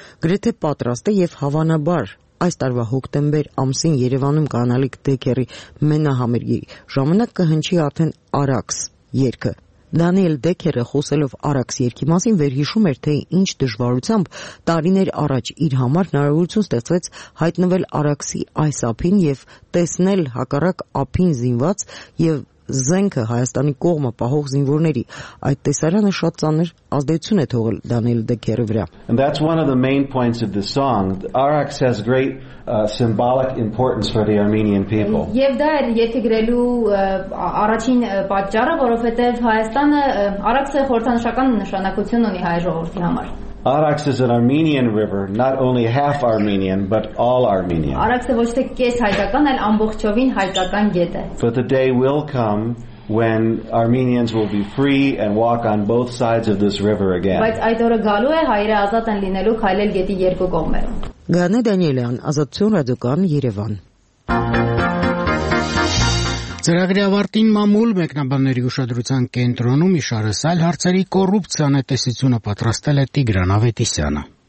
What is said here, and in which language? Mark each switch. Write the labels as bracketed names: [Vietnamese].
[Armenian] գրեթե պատրաստ է և հավանաբար այս տարվա հոկտեմբեր ամսին Երևանում կանալիք Դեքերի մենահամերգի ժամանակ կհնչի արդեն Արաքս երգը։ Դանիել Դեքերը խոսելով Արաքս երգի մասին վերհիշում էր, թե ինչ դժվարությամբ տարիներ առաջ իր համար հնարավորություն ստեղծվեց հայտնվել Արաքսի այս ափին և տեսնել հակառակ ափին զինված և զենքը Հայաստանի կողմը պահող զինվորների։ Այդ տեսարանը շատ ծանր ազդեցություն է թողել Դանիել Դեքերի վրա։ [English] And that's one of the main points of the song. Արաքս has great symbolic importance for the Armenian people. [Armenian] Եվ դա էր եթե գրելու առաջին պատճառը, որովհետև Հայաստանը Արաքսը խորհրդանշական նշանակություն ունի հայ ժողովրդի համար։ [English] Արաքս is an Armenian river, not only half Armenian, but all Armenian. [Armenian] Արաքսը ոչ թե կես հայկական, այլ ամբողջովին հայկական գետ է։ [English] But the day will come when Armenians will be free and walk on both sides of this river again. [Armenian] Բայց այդ օրը գալու է հայերը ազատ են լինելու քայլել գետի երկու կողմերում։ Գանե Դանիելյան, Ազատություն ռադիոկան, Երևան։ Ծրագրի ավարտին մամուլ մեկնաբանների ուշադրության կենտրոնում իշարս այլ հարցերի կոռուպցիան է տեսությունը պատրաստել է Տիգրան Ավետիսյանը։